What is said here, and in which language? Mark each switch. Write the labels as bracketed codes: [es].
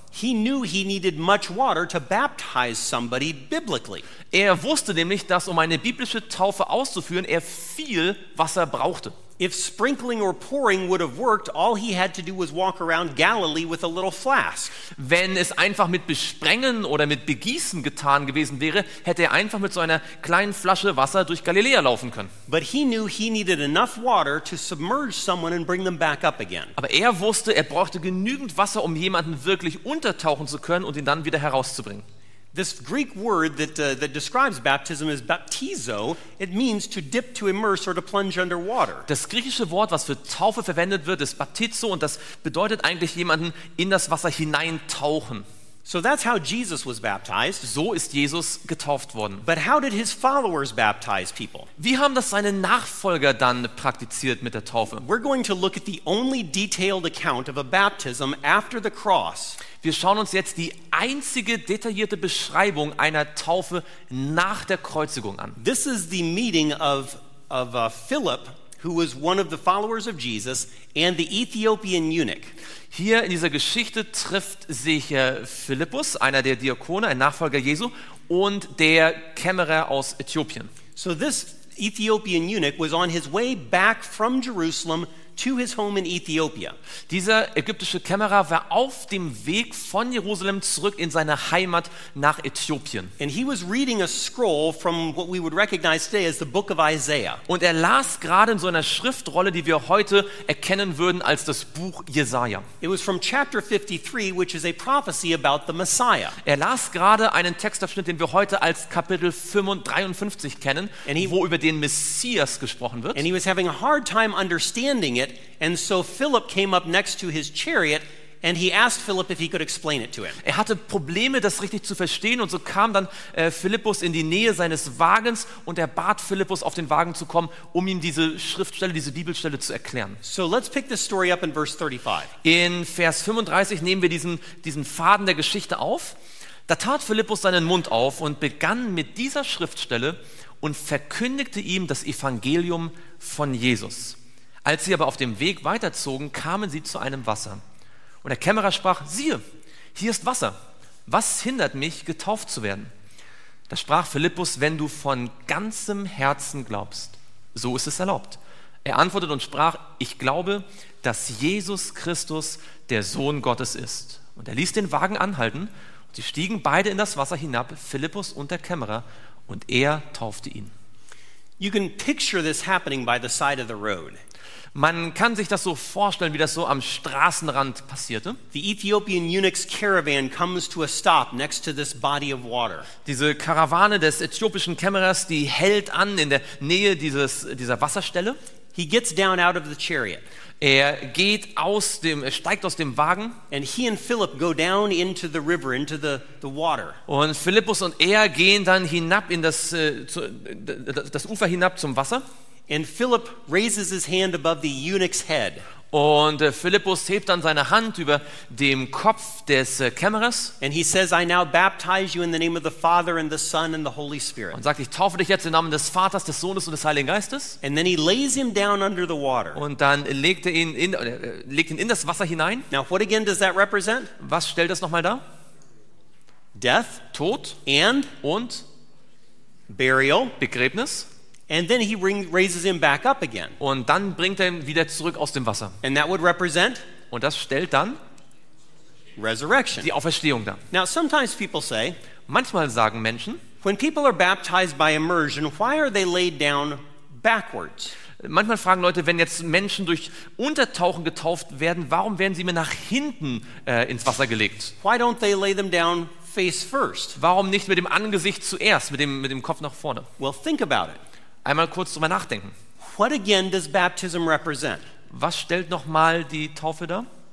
[en] He knew he needed much water to baptize somebody biblically. [de] Er wusste nämlich, dass um eine biblische Taufe auszuführen, er viel Wasser brauchte. [en] If sprinkling or pouring would have worked, all he had to do was walk around Galilee with a little flask. [de] Wenn es einfach mit Besprengen oder mit Begießen getan gewesen wäre, hätte er einfach mit so einer kleinen Flasche Wasser durch Galiläa laufen können. [en] But he knew he needed enough water to submerge someone and bring them back up again. [de] Aber er wusste, er brauchte genügend Wasser, um jemanden wirklich untertauchen zu können und ihn dann wieder herauszubringen. [en] This Greek word that describes baptism is baptizo. It means to dip, to immerse, or to plunge under water. [de] Das griechische Wort, was für Taufe verwendet wird, ist baptizo, und das bedeutet eigentlich jemanden in das Wasser hineintauchen. [en] So that's how Jesus was baptized. [de] So ist Jesus getauft worden. [en] But how did his followers baptize people? [de] Wie haben das seine Nachfolger dann praktiziert mit der Taufe? [en] We're going to look at the only detailed account of a baptism after the cross. [de] Wir schauen uns jetzt die einzige detaillierte Beschreibung einer Taufe nach der Kreuzigung an. [en] This is the meeting of Philip, who was one of the followers of Jesus, and the Ethiopian eunuch. [de] Hier in dieser Geschichte trifft sich Philippus, einer der Diakone, ein Nachfolger Jesu, und der Kämmerer aus Äthiopien. [en] So this Ethiopian eunuch was on his way back from Jerusalem to his home in Ethiopia. [de] Dieser ägyptische Kämmerer war auf dem Weg von Jerusalem zurück in seine Heimat nach Äthiopien. [en] And he was reading a scroll from what we would recognize today as the book of Isaiah. [de] Und er las gerade in so einer Schriftrolle, die wir heute erkennen würden als das Buch Jesaja. [en] It was from chapter 53, which is a prophecy about the Messiah. [de] Er las gerade einen Textabschnitt, den wir heute als Kapitel 53 kennen, wo über den Messias gesprochen wird. [en] And he was having a hard time understanding it, and so Philip came up next to his chariot and he asked Philip if he could explain it to him. [de] Er hatte Probleme, das richtig zu verstehen, und so kam dann Philippus in die Nähe seines Wagens und er bat Philippus, auf den Wagen zu kommen, um ihm diese Schriftstelle, diese Bibelstelle zu erklären. [en] So let's pick this story up in verse 35. [de] In Vers 35 nehmen wir diesen Faden der Geschichte auf. Da tat Philippus seinen Mund auf und begann mit dieser Schriftstelle und verkündigte ihm das Evangelium von Jesus. Als sie aber auf dem Weg weiterzogen, kamen sie zu einem Wasser. Und der Kämmerer sprach: Siehe, hier ist Wasser. Was hindert mich, getauft zu werden? Da sprach Philippus: Wenn du von ganzem Herzen glaubst, so ist es erlaubt. Er antwortete und sprach: Ich glaube, dass Jesus Christus der Sohn Gottes ist. Und er ließ den Wagen anhalten. Sie stiegen beide in das Wasser hinab, Philippus und der Kämmerer, und er taufte ihn. [en] You can picture this happening by the side of the road. [de] Man kann sich das so vorstellen, wie das so am Straßenrand passierte. [en] The Ethiopian eunuch's caravan comes to a stop next to this body of water. [de] Diese Karawane des äthiopischen Kämmerers, die hält an in der Nähe dieser Wasserstelle. [en] He gets down out of the chariot. [de] Er geht steigt aus dem Wagen. [en] And he and Philip go down into the river, into the water. [de] Und Philippus und er gehen dann hinab in das Ufer hinab zum Wasser. [en] And Philip raises his hand above the eunuch's head. [de] Und Philippus hebt dann seine Hand über dem Kopf des Kämmerers. [en] And he says, I now baptize you in the name of the Father and the Son and the Holy Spirit. [de] Und sagt, ich taufe dich jetzt im Namen des Vaters, des Sohnes und des Heiligen Geistes. [en] And then he lays him down under the water. [de] Und dann legt ihn in das Wasser hinein. [en] Now what again does that represent? [de] Was stellt das nochmal dar? [en] Death. [de] Tod. [en] And. [de] Und. [en] Burial. [de] Begräbnis. [en] And then he raises him back up again. [de] Und dann bringt er ihn wieder zurück aus dem Wasser. [en] And that would represent. [de] Und das stellt dann [en] Resurrection. [de] Die Auferstehung dar. [en] Now sometimes people say. [de] Manchmal sagen Menschen. [en] When people are baptized by immersion, why are they laid down backwards? [de] Manchmal fragen Leute, wenn jetzt Menschen durch Untertauchen getauft werden, warum werden sie mir nach hinten ins Wasser gelegt? [en] Why don't they lay them down face first? [de] Warum nicht mit dem Angesicht zuerst, mit dem Kopf nach vorne? [en] Well, think about it. [de] Einmal kurz drüber nachdenken. [en] What again does baptism represent? [de] Was stellt nochmal die Taufe dar?